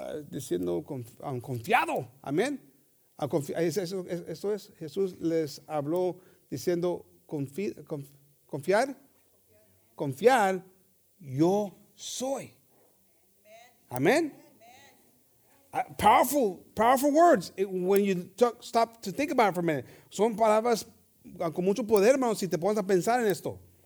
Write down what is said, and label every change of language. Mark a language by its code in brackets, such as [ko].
[es] Diciendo confiado, amén. Eso es, Jesús les habló diciendo, confiar, yo soy. [en] Amén. Powerful words. When you stop to think about it for a minute. [es] Son palabras con mucho poder, hermano, si te pones a pensar en esto.